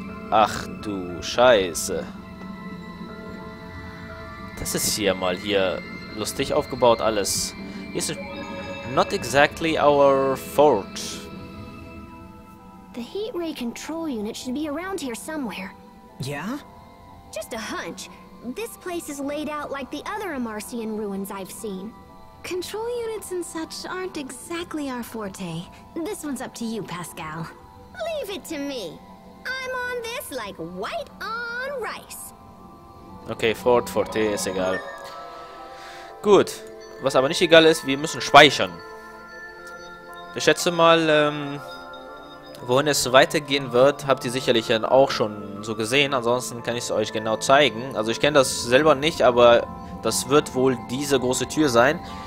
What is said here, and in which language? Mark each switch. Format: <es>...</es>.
<de>Ach du Scheiße. Das ist hier mal hier lustig aufgebaut alles. Hier ist</de> <en>not exactly our fault. The heat ray control unit should be around here somewhere. Yeah? Just a hunch. This place is laid out like the other Amarcian ruins I've seen. Control units and such aren't exactly our forte. This one's up to you, Pascal. Leave it to me. I'm on this like white on rice.</en> <de>Okay, forte ist egal. Gut. Was aber nicht egal ist, wir müssen speichern. Ich schätze mal, wohin es weitergehen wird, habt ihr sicherlich dann auch schon so gesehen. Ansonsten kann ich es euch genau zeigen. Also ich kenne das selber nicht, aber das wird wohl diese große Tür sein.</de>